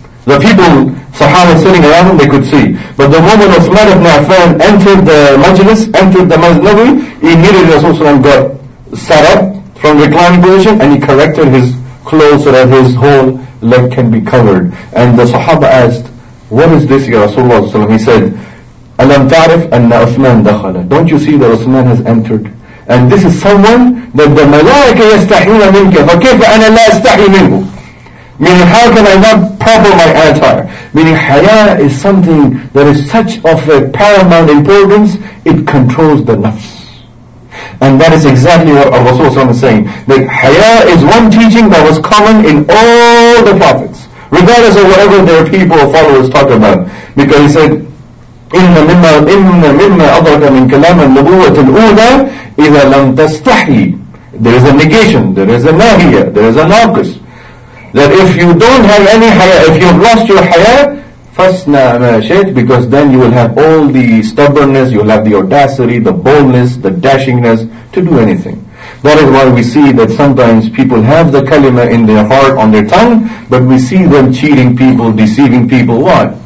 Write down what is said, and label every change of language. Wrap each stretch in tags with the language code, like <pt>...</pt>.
<en>The people, Sahaba sitting around him, they could see. But the woman Uthman ibn Affan entered the majlis, entered the Masjid Nabawi, immediately Rasulullah got sat up from reclining position, and he corrected his clothes so that his whole leg can be covered. And the Sahaba asked, what is this, Ya Rasulullah? He said,</en> <ar>أَلَمْ تَعْرِفْ أَنَّ أُثْمَانْ دَخَلَ.</ar> <en>Don't you see that Uthman has entered? And this is someone that the malaika</en> <ar>يَسْتَحْيُونَ مِنْكَ فَكَيْفَ أَنَا لَا أَسْتَحْيُ مِنْهُ.</ar> <en>Meaning, how can I not proper my attire? Meaning, haya is something that is such of a paramount importance, it controls the nafs. And that is exactly what Rasulullah is saying. That haya is one teaching that was common in all the prophets, regardless of whatever their people or followers talk about. Because he said,</en> <ar>إِنَّ مِمَّا أَضْرَكَ مِنْ كَلَامًا نُبُوَّةِ الْأُولَى إِذَا لَمْ تَسْتَحْيِ.</ar> <en>There is a negation, there is a nahiya, there is a naqis. That if you don't have any haya, if you've lost your haya,</en> <ar>fasna ma shayt,</ar> <en>because then you will have all the stubbornness, you'll have the audacity, the boldness, the dashingness to do anything. That is why we see that sometimes people have the kalima in their heart, on their tongue, but we see them cheating people, deceiving people. Why?</en>